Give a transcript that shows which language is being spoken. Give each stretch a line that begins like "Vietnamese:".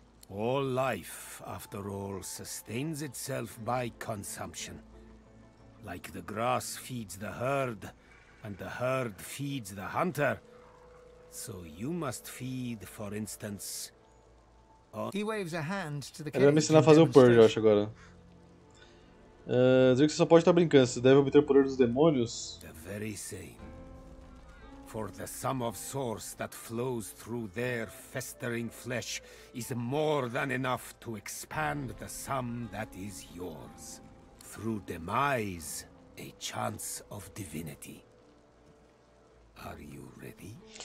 English: All life, after all, sustains itself by consumption. Like the grass feeds the herd, and the herd feeds the hunter, so you must feed, for instance, he waves a hand to the cage.
Portuguese: Ele vai me ensinar a fazer o purge, eu acho, agora. Dizer que você só pode estar brincando, você deve obter o poder dos demônios.
English: The very same. For the sum of source that flows through their festering flesh is more than enough to expand the sum that is yours. Through demise, a chance of divinity. Are you ready?